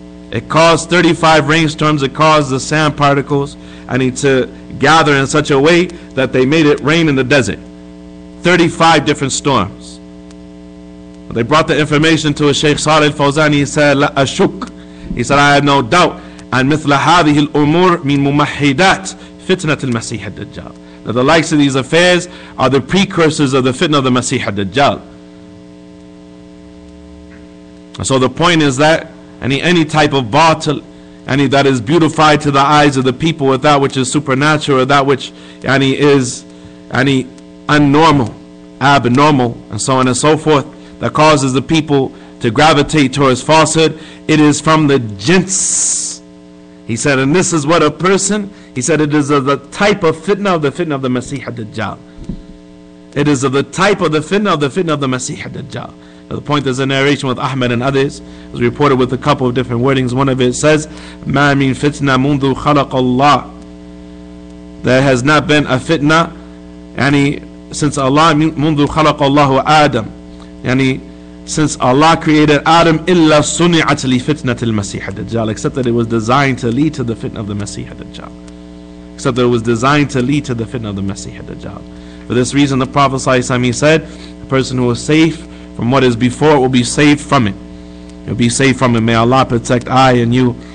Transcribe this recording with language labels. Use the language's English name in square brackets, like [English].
[English] It caused 35 rainstorms. It caused the sand particles to gather in such a way that they made it rain in the desert. 35 different storms. They brought the information to a Sheikh Saleh al-Fawzani. He said, [Arabic] "La ashuk." [English] He said, "I have no doubt." And [Arabic] مثل هذه الأمور من ممهدات فتنة المسيح الدجال. [English] That the likes of these affairs are the precursors of the fitna of the Masih al-Dajjal. So the point is that any type of batil, that is beautified to the eyes of the people with that which is supernatural, or that which is unnormal, abnormal, and so on and so forth, that causes the people to gravitate towards falsehood, it is from the jinns. He said, and this is what a person, he said, it is of the type of fitna of the fitna of the Masih al-Dajjal. It is of the type of the fitna of the fitna of the Masih al-Dajjal. Now the point is a narration with Ahmed and others. It was reported with a couple of different wordings. One of it says, [Arabic] مَا مِن فِتْنَا مُنْذُ خَلَقَ اللَّهِ. [English] There has not been a fitna, since Allah, [Arabic] مُنْذُ خَلَقَ اللَّهُ [English] Adam, since Allah created Adam, [Arabic] illa suni'at li fitnat al-Masih al-Dajjal, [English] except that it was designed to lead to the fitna of the Masih al-Dajjal. Except that it was designed to lead to the fitna of the Masih al-Dajjal. For this reason, the Prophet sallallahu alaihi wasallam said, "A person who is safe from what is before will be saved from it. He'll be saved from it. May Allah protect I and you